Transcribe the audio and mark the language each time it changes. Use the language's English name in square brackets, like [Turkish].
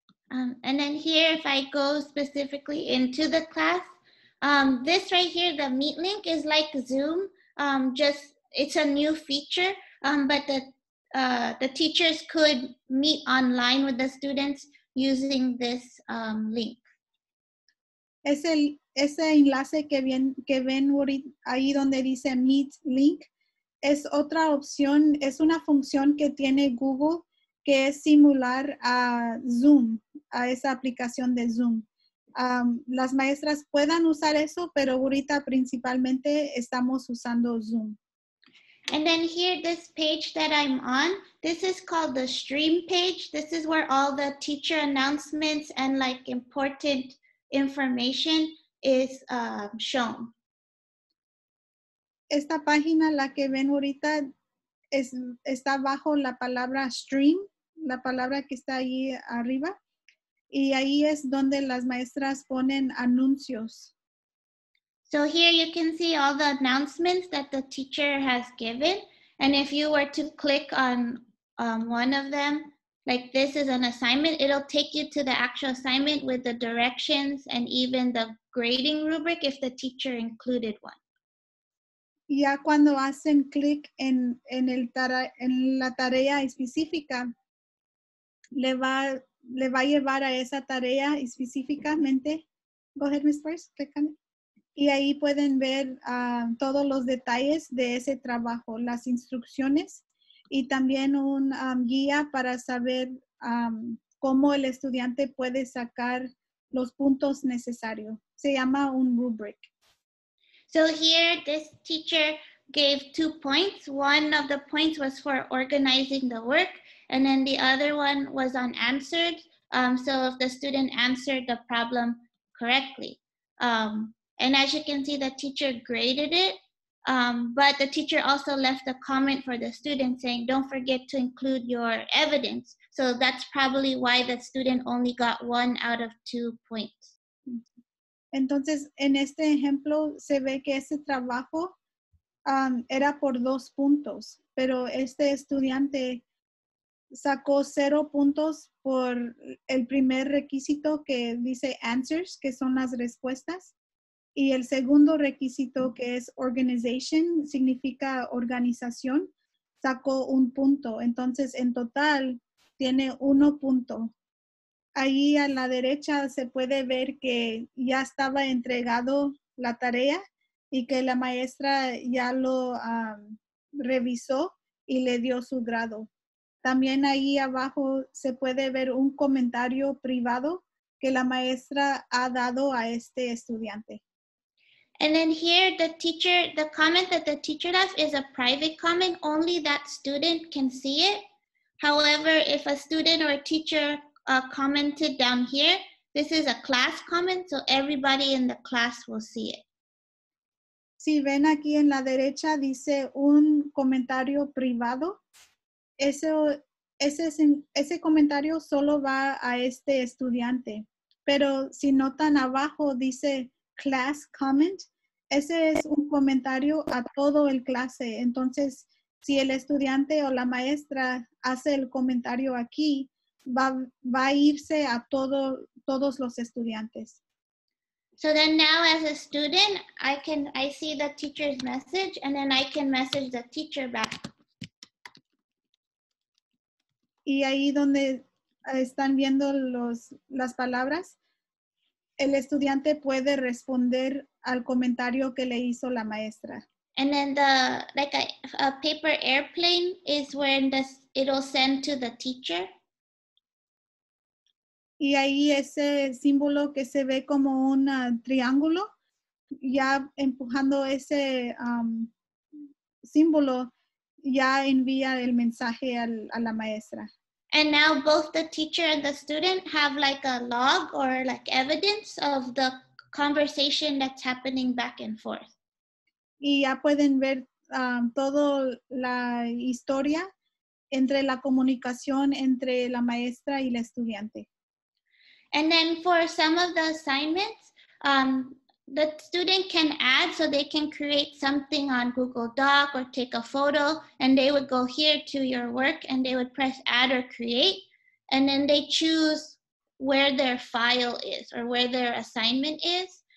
[English] And then here, if I go specifically into the class, this right here, the Meet link is like Zoom. It's a new feature, but the teachers could meet online with the students using this link. [Spanish] Ese enlace que ven ahí donde dice Meet link es otra opción, es una función que tiene Google que es similar a Zoom, a esa aplicación de Zoom. Las maestras puedan usar eso, pero ahorita principalmente estamos usando Zoom. [English] And then here, this page that I'm on, this is called the stream page. This is where all the teacher announcements and like important information is shown. [Spanish] Esta página, la que ven ahorita, está bajo la palabra stream, la palabra que está ahí arriba. Y ahí es donde las maestras ponen anuncios. [English] So here you can see all the announcements that the teacher has given. And if you were to click on one of them, like this is an assignment, it'll take you to the actual assignment with the directions and even the grading rubric if the teacher included one. [Spanish] Ya cuando hacen clic en la tarea específica, le va a llevar a esa tarea específicamente. [English] Go ahead, Ms. Price, click on it. [Spanish] Y ahí pueden ver todos los detalles de ese trabajo, las instrucciones y también un guía para saber cómo el estudiante puede sacar los puntos necesarios. Se llama un rubric. [English] So here, this teacher gave 2 points. One of the points was for organizing the work, and then the other one was on answers. So if the student answered the problem correctly. And as you can see, the teacher graded it, but the teacher also left a comment for the student saying, don't forget to include your evidence. So that's probably why the student only got 1 out of 2 points. [Spanish] Entonces, en este ejemplo, se ve que ese trabajo era por 2 puntos, pero este estudiante sacó 0 puntos por el primer requisito que dice answers, que son las respuestas, y el segundo requisito que es organization, significa organización, sacó 1 punto. Entonces, en total, tiene 1 punto. Ahí a la derecha se puede ver que ya estaba entregado la tarea y que la maestra ya lo revisó y le dio su grado. También ahí abajo se puede ver un comentario privado que la maestra ha dado a este estudiante. [English] And then here the comment that the teacher left is a private comment. Only that student can see it. However, if a student or a teacher commented down here, this is a class comment, so everybody in the class will see it. [Spanish] Si ven aquí en la derecha, dice un comentario privado. Ese comentario solo va a este estudiante. Pero si notan abajo, dice class comment. Ese es un comentario a todo el clase. Entonces, si el estudiante o la maestra hace el comentario aquí, va a irse a todos los estudiantes. [English] So then now as a student, I see the teacher's message and then I can message the teacher back. [Spanish] Y ahí donde están viendo las palabras, el estudiante puede responder al comentario que le hizo la maestra. [English] And then a paper airplane is when it'll send to the teacher. [Spanish] Y ahí ese símbolo que se ve como un triángulo, ya empujando ese símbolo, ya envía el mensaje a la maestra. [English] And now both the teacher and the student have like a log or like evidence of the conversation that's happening back and forth. [Spanish] Y ya pueden ver toda la historia entre la comunicación entre la maestra y la estudiante. [English] And then for some of the assignments, the student can add so they can create something on Google Doc or take a photo, and they would go here to your work and they would press add or create, and then they choose where their file is or where their assignment is.